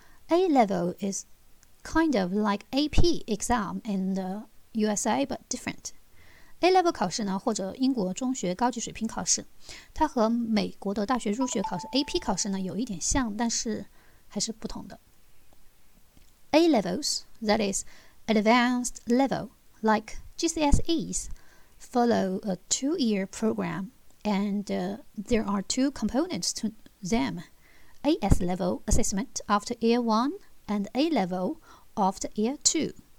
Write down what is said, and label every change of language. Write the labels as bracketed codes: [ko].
[en] A-level is kind of like AP exam in the USA, but different. [zh] A-level 考试呢，或者英国中学高级水平考试，它和美国的大学入学考试 AP 考试呢有一点像，但是还是不同的。 [en] A-levels, that is, advanced level, like GCSEs, follow a two-year program, and there are two components to them, AS level assessment after year one, and A-level after year two.